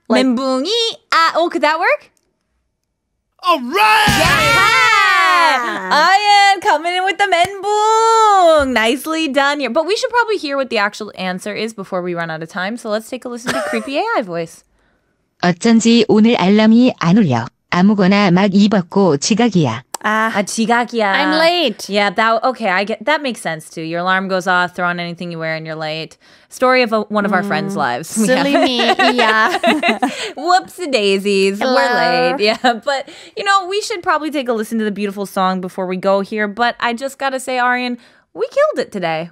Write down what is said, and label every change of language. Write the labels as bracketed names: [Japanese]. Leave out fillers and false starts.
[English] menbung e a oh could that work all right yeah. I am coming in with the menbung nicely done here but we should probably hear what the actual answer is before we run out of time so let's take a listen to creepy AI voice [Korean] 어쩐지 오늘 알람이 안 울려 아무거나 막 입었고 지각이야 아, 지각이야. [English] I'm late. Yeah, that makes sense too. Your alarm goes off, throw on anything you wear, and you're late. Story of one of our friends' lives. Silly me. Yeah. Whoopsie daisies. We're late. Yeah, but you know, we should probably take a listen to the beautiful song before we go here. But I just gotta say, Ariane, we killed it today.